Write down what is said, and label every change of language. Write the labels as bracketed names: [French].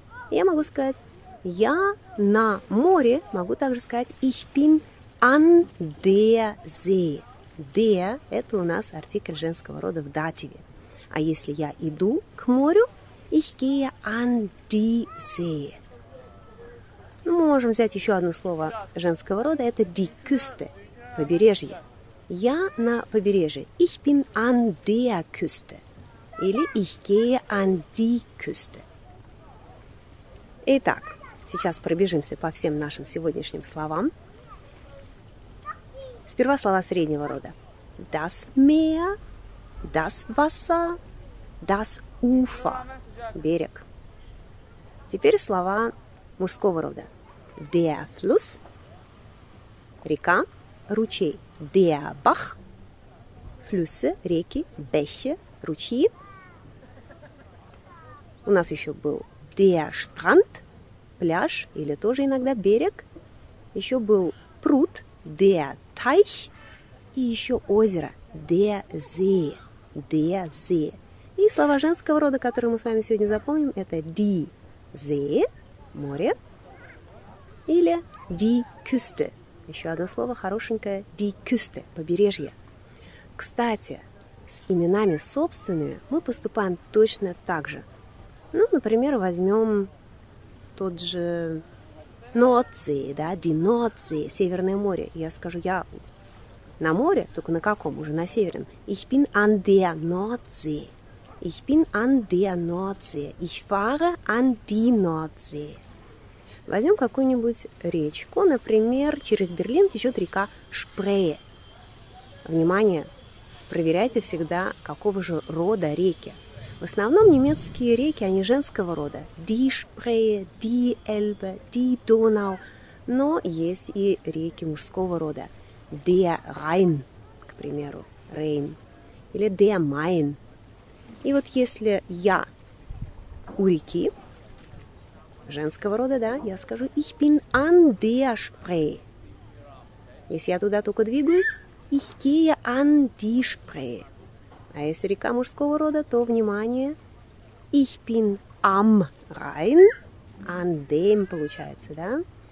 [Russian] Я могу сказать «я на море», могу также сказать [German] «ich bin an der See». [Russian] «Der» – это у нас артикль женского рода в дативе. А если я иду к морю, [German] «ich gehe an die See». [Russian] Ну, мы можем взять еще одно слово женского рода, это «die Küste» – «побережье». «Я на побережье» [German] – «ich bin an der Küste» или «ich gehe an die Küste». [Russian] Итак, сейчас пробежимся по всем нашим сегодняшним словам. Сперва слова среднего рода. [German] Das Meer, das Wasser, das Ufer – берег. [Russian] Теперь слова мужского рода. Der Fluss – река, ручей. Der Bach – флюссе, реки, бехе, ручьи. У нас еще был der Strand – пляж или тоже иногда берег. Еще был пруд, der Teich, и еще озеро, der See, der See. И слова женского рода, которые мы с вами сегодня запомним, это die See, море, или die Küste. Еще одно слово хорошенькое, die Küste, побережье. Кстати, с именами собственными мы поступаем точно так же. Ну, например, возьмем тот же Nordsee, да, die Nordsee, Северное море. Я скажу, я на море, только на каком, уже на северном. [German] Ich bin an der Nordsee. Ich bin an der Nordsee. Ich fahre an die Nordsee. [Russian] Возьмем какую-нибудь речку, например, через Берлин течет река Шпрее. Внимание, проверяйте всегда, какого же рода реки. В основном немецкие реки, они женского рода. [German] Die Spree, die Elbe, die Donau. [Russian] Но есть и реки мужского рода. Der Rhein, к примеру, Rhein. Или der Main. И вот если я у реки, женского рода, да, я скажу [German] Ich bin an der Spree. [Russian] Если я туда только двигаюсь, [German] Ich gehe an die Spree. [Russian] А если река мужского рода, то, внимание, [German] Ich bin am Rhein, an dem [Russian] получается, да?